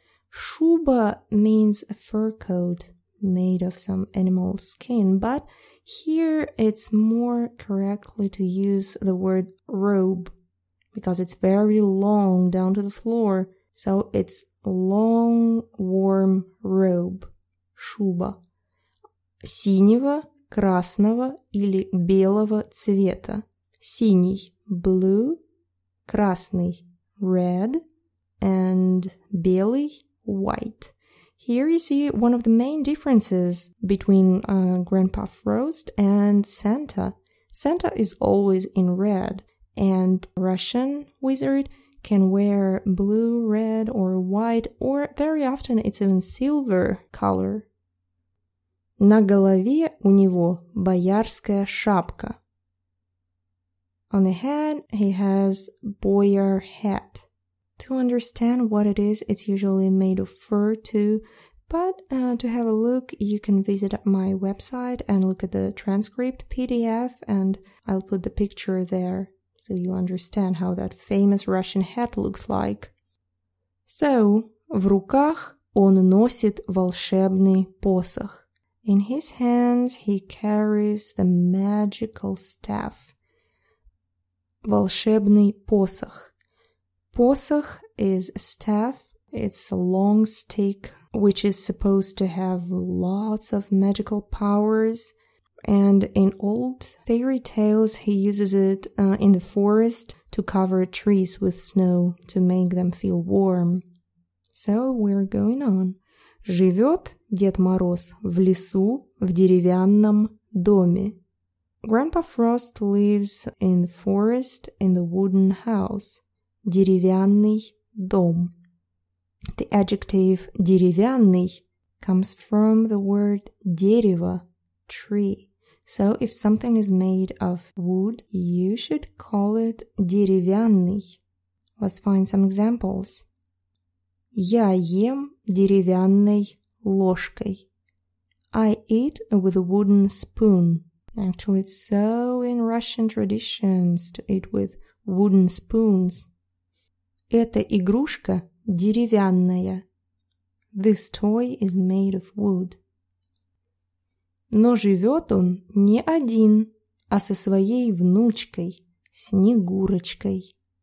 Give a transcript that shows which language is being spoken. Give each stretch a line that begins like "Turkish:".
English: Шуба means a fur coat made of some animal skin, but here it's more correctly to use the word robe because it's very long down to the floor, so it's long, warm robe,
Russian: шуба, синего, красного или белого цвета. Синий,
English: blue,
Russian: красный,
English: red, and
Russian: белый,
English: white. Here you see one of the main differences between Grandpa Frost and Santa. Santa is always in red, and Russian wizard can wear blue, red, or white, or very often it's even silver color.
Russian: На голове у него боярская шапка.
English: On the head, he has boyar hat. To understand what it is, it's usually made of fur too, but to have a look, you can visit my website and look at the transcript PDF, and I'll put the picture there so you understand how that famous Russian hat looks like.
Russian: So, в руках он носит волшебный посох.
English: In his hands, he carries the magical staff.
Russian: Волшебный посох.
English: Посох is a staff. It's a long stick, which is supposed to have lots of magical powers. And in old fairy tales, he uses it in the forest to cover trees with snow to make them feel warm. So we're going on.
Russian: Живет Дед Мороз в лесу в деревянном доме.
English: Grandpa Frost lives in the forest in the wooden house.
Russian: Деревянный дом.
English: The adjective деревянный comes from the word дерево, tree. So if something is made of wood, you should call it деревянный. Let's find some examples.
Russian: Я ем деревянной ложкой.
English: I eat with a wooden spoon. Actually, it's so in Russian traditions to eat with wooden spoons.
Russian: Эта игрушка деревянная.
English: This toy is made of wood.
Russian: Но живет он не один, а со своей внучкой, Снегурочкой.